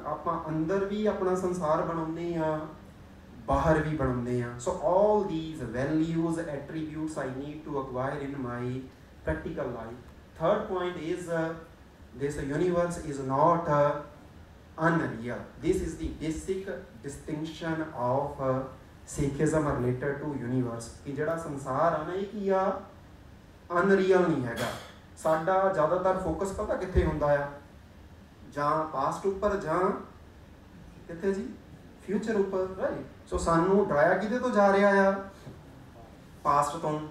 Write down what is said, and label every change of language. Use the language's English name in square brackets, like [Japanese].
[Punjabi] ਆਪਾਂ ਅੰਦਰ ਵੀ ਆਪਣਾ ਸੰਸਾਰ ਬਣਾਉਂਦੇ ਹਾਂ, ਬਾਹਰ ਵੀ ਬਣਾਉਂਦੇ ਹਾਂ. [English] So all these values attributes I need to acquire in my practical life. Third point is, this universe is not unreal. This is the basic distinction of Sikhism related to universe. [Punjabi] ਕਿ ਜਿਹੜਾ ਸੰਸਾਰ ਆ ਨਾ, ਇਹ ਕੀ ਆ, ਅਨਰੀਅਲ ਨਹੀਂ ਹੈਗਾ. ਸਾਡਾ ਜ਼ਿਆਦਾਤਰ ਫੋਕਸ ਪਤਾ ਕਿੱਥੇ ਹੁੰਦਾ ਆ? ਜਾਂ ਪਾਸਟ ਉੱਪਰ, ਜਾਂ ਕਿੱਥੇ ਜੀ, ਫਿਊਚਰ ਉੱਪਰ, ਰਾਈਟ? ਸੋ ਸਾਨੂੰ ਡਰਾਇਆ ਕਿਹਦੇ ਤੋਂ ਜਾ ਰਿਹਾ ਆ? ਪਾਸਟ ਤੋਂ.